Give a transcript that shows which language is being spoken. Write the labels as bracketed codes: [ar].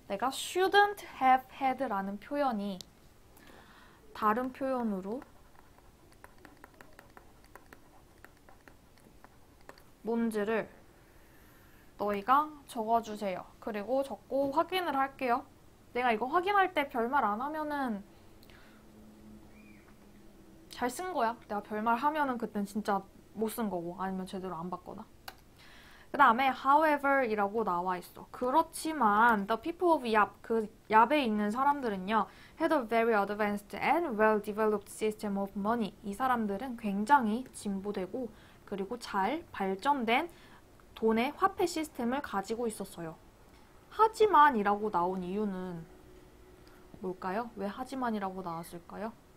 [ko] 내가 [en] shouldn't have had [ko] 라는 표현이 다른 표현으로 뭔지를 너희가 적어주세요. 그리고 적고 확인을 할게요. 내가 이거 확인할 때 별말 안 하면은 잘쓴 거야. 내가 별말 하면은 그땐 진짜 못쓴 거고 아니면 제대로 안 봤거나. 그 다음에 however 이라고 나와 있어. 그렇지만 [en] the people of Yap, [ko] 그 Yap에 있는 사람들은요 [en] had a very advanced and well developed system of money. [ko] 이 사람들은 굉장히 진보되고 그리고 잘 발전된 돈의 화폐 시스템을 가지고 있었어요. 하지만 이라고 나온 이유는 뭘까요? 왜 하지만 이라고 나왔을까요?